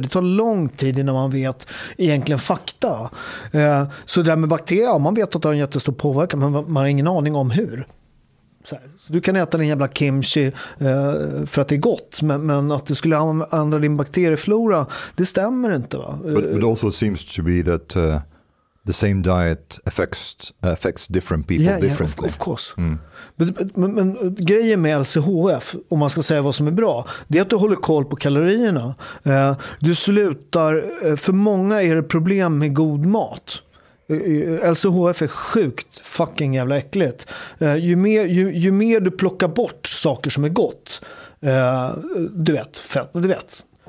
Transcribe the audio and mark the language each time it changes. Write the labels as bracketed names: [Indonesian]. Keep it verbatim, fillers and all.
[Swedish] Det tar lång tid innan man vet egentligen fakta. Eh, så det där med bakterier, ja, man vet att det har en jättestor påverkan men man har ingen aning om hur. Så, här, så du kan äta din jävla kimchi eh, för att det är gott. Men, men att du skulle ändra din bakterieflora, det stämmer inte va? [English] But it also seems to be that... Uh... The same diet affects affects different people yeah, differently. Yeah, of, of course. Mm. [Swedish] But, but, men, men grejen med L C H F, om man ska säga vad som är bra, det är att du håller koll på kalorierna. Eh, du slutar, för många är det problem med god mat. L C H F är sjukt fucking jävla äckligt. Eh, ju, mer, ju, ju mer du plockar bort saker som är gott, eh, du vet, fett, du vet.